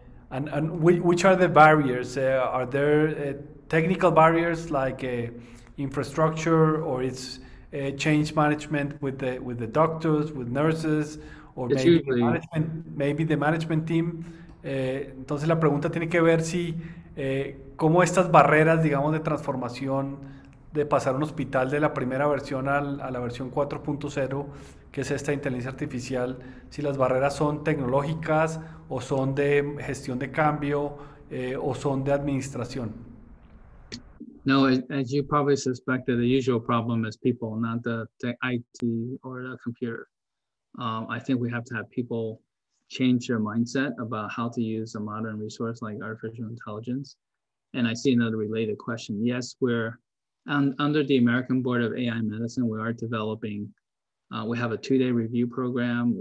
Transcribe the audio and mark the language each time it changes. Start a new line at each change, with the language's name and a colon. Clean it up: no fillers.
English: and which are the barriers? Are there technical barriers like infrastructure, or it's change management with the doctors, with nurses, or maybe the management team?
Spanish: Entonces la pregunta tiene que ver si cómo estas barreras, digamos, de transformación de pasar un hospital de la primera versión a la versión 4.0, que es esta inteligencia artificial, si las barreras son tecnológicas o son de gestión de cambio o son de administración.
English: No, as you probably suspected, the usual problem is people, not the IT or the computer. I think we have to have people change their mindset about how to use a modern resource like artificial intelligence. And I see another related question. Yes, we're under the American Board of AI Medicine, we are developing, we have a two-day review program.